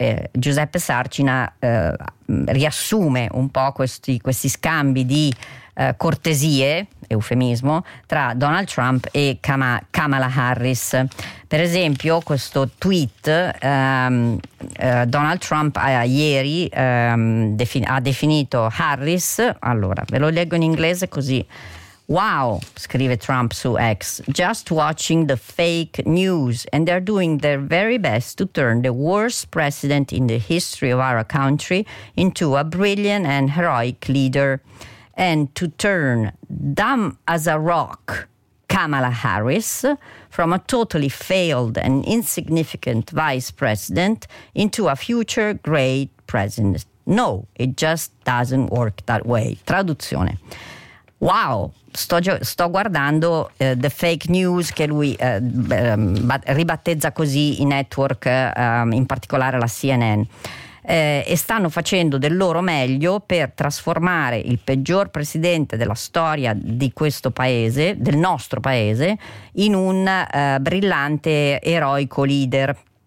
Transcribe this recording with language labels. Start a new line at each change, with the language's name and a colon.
Italian: Giuseppe Sarcina riassume un po' questi scambi di cortesie, eufemismo, tra Donald Trump e Kamala Harris. Per esempio, questo tweet: Donald Trump ieri ha definito Harris, allora ve lo leggo in inglese così. Wow, scrive Trump su X,
English: just watching the fake news, and they're doing their very best to turn the worst president in the history of our country into a brilliant and heroic leader, and to turn dumb as a rock Kamala Harris from a totally failed and insignificant vice president into a future great president. No, it just doesn't work that way.
Italian: Traduzione. Wow, sto guardando
English: the fake news,
Italian: che lui ribattezza così i network, in particolare la CNN, e stanno facendo del loro meglio per trasformare il peggior presidente della storia di questo paese, del nostro paese, in un brillante, eroico leader.